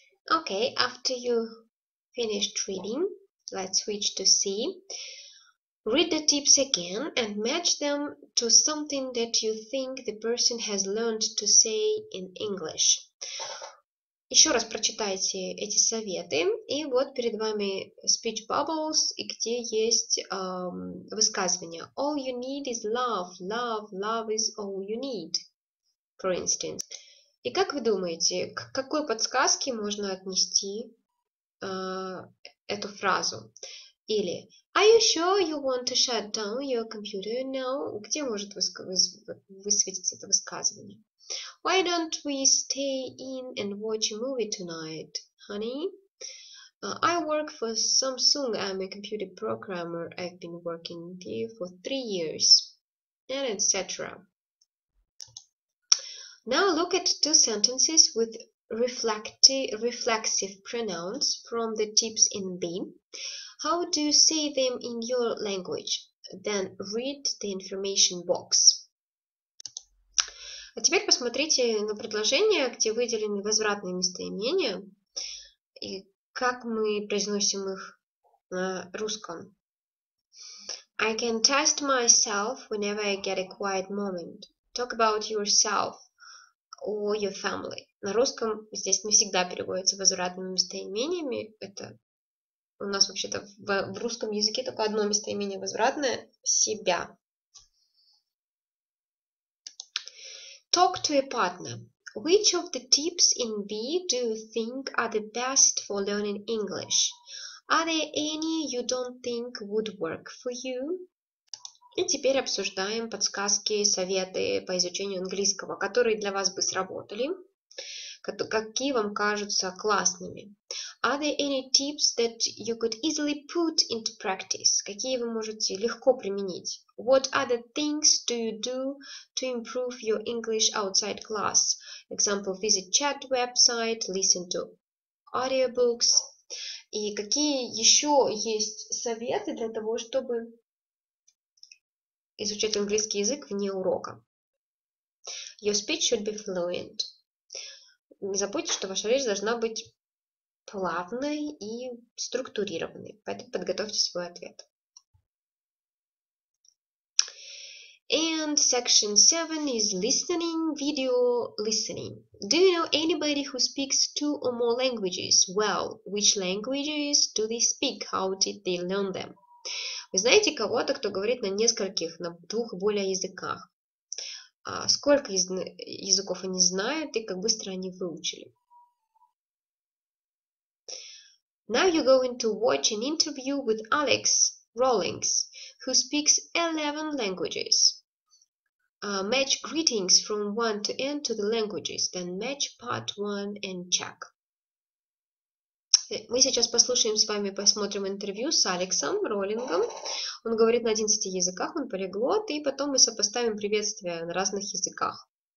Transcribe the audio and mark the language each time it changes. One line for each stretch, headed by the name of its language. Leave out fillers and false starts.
English: Okay, after you finished reading, let's switch to C. Read the tips again and match them to something that you think the person has learned to say in English.
Russian: Еще раз прочитайте эти советы. И вот перед вами
English: speech bubbles,
Russian: и где есть высказывания.
English: All you need is love. Love. Love is all you need. For instance.
Russian: И как вы думаете, к какой подсказке можно отнести эту фразу? Или
English: Are you sure you want to shut down your computer now?
Russian: Где может высветиться это высказывание?
English: Why don't we stay in and watch a movie tonight, honey? I work for Samsung, I'm a computer programmer, I've been working here for 3 years, and etc. Now look at two sentences with reflexive pronouns from the tips in B. How do you say them in your language? Then read the information box.
Russian: А теперь посмотрите на предложение, где выделены возвратные местоимения и как мы произносим их на русском.
English: I can test myself whenever I get a quiet moment. Talk about yourself. Or your family.
Russian: На русском, естественно, не всегда переводится возвратными местоимениями. Это у нас вообще-то в русском языке только одно местоимение возвратное – себя.
English: Talk to your partner. Which of the tips in B do you think are the best for learning English? Are there any you don't think would work for you?
Russian: И теперь обсуждаем подсказки, советы по изучению английского, которые для вас бы сработали, какие вам кажутся классными.
English: Are there any tips that you could easily put into practice?
Russian: Какие вы можете легко применить?
English: What other things do you do to improve your English outside class? Example, visit chat website, listen to audiobooks.
Russian: И какие еще есть советы для того, чтобы изучать английский язык вне урока?
English: Your speech should be fluent.
Russian: Не забудьте, что ваша речь должна быть плавной и структурированной. Поэтому подготовьте свой ответ.
English: And section 7 is listening, video listening. Do you know anybody who speaks two or more languages? Well, which languages do they speak? How did they learn them?
Russian: Вы знаете кого-то, кто говорит на нескольких, на двух и более языках? Сколько языков они знают и как быстро они выучили?
English: Now you're going to watch an interview with Alex Rawlings, who speaks 11 languages. Match greetings from 1 to end to the languages, then match part 1 and check.
Russian: Мы сейчас послушаем с вами, посмотрим интервью с Алексом Роллингом. Он говорит на 11 языках, он полиглот, и потом мы сопоставим приветствия на разных языках.